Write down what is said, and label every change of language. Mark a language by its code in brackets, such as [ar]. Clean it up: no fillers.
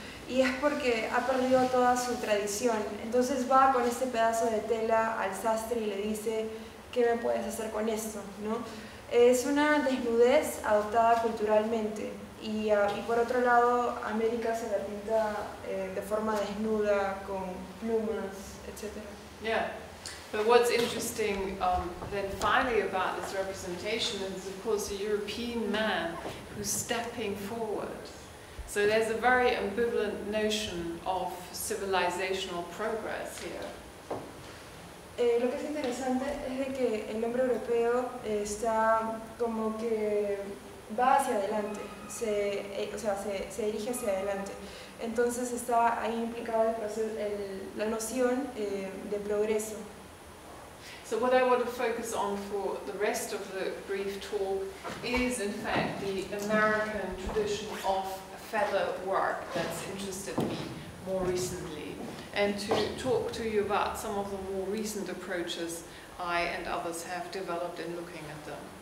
[es] Y es porque ha perdido toda su tradición. Entonces va con este pedazo de tela al sastre y le dice, ¿qué me puedes hacer con esto? ¿No? Es una desnudez adoptada culturalmente. Y por otro lado, América se la pinta de forma desnuda, con plumas, etc. [en] Yeah. But what's interesting then finally about this representation is, of course, a European man who's stepping forward. So there's a very ambivalent notion of civilizational progress here. [es] Lo que es interesante es de que el hombre europeo está como que va hacia adelante, se dirige hacia adelante. Entonces está ahí implicada la noción de progreso. [en] So what I want to focus on for the rest of the brief talk is, in fact, the American tradition of feather work that's interested me more recently, and to talk to you about some of the more recent approaches I and others have developed in looking at them.